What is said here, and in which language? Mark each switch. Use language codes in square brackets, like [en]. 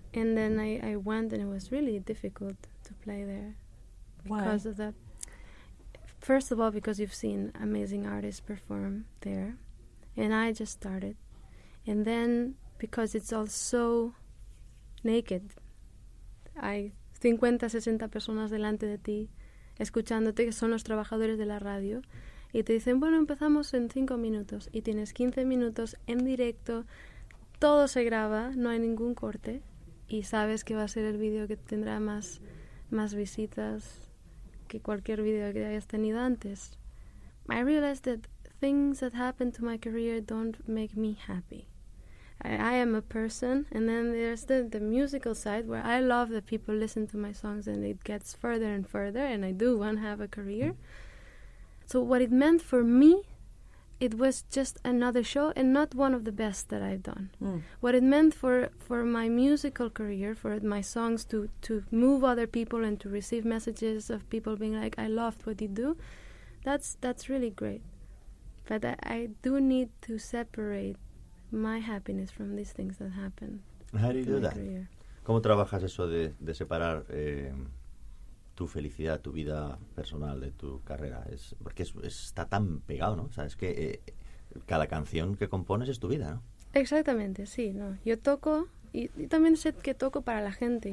[en] And then I went, and it was really difficult to play there. Why? Because of that. First of all, because you've seen amazing artists perform there. And I just started. And then because it's all so naked. [es] Hay 50, 60 personas delante de ti, escuchándote, que son los trabajadores de la radio. Y te dicen, bueno, empezamos en 5 minutos. Y tienes 15 minutos en directo. Todo se graba, no hay ningún corte. Y sabes que va a ser el video que tendrá más visitas que cualquier video que hayas tenido antes. [en] I realized that things that happen to my career don't make me happy. I am a person, and then there's the musical side where I love that people listen to my songs and it gets further and further, and I do want to have a career. So what it meant for me, it was just another show, and not one of the best that I've done. Mm. What it meant for my musical career, for my songs to move other people and to receive messages of people being like, I loved what you do, that's really great. But I do need to separate my happiness from these things that happen. How do you do that? [es] ¿Cómo trabajas eso de separar tu felicidad, tu vida personal, de tu carrera? Es porque está tan pegado, ¿no? O sea, es que cada canción que compones es tu vida, ¿no? Exactamente, sí, ¿no? Yo toco y también sé que toco para la gente.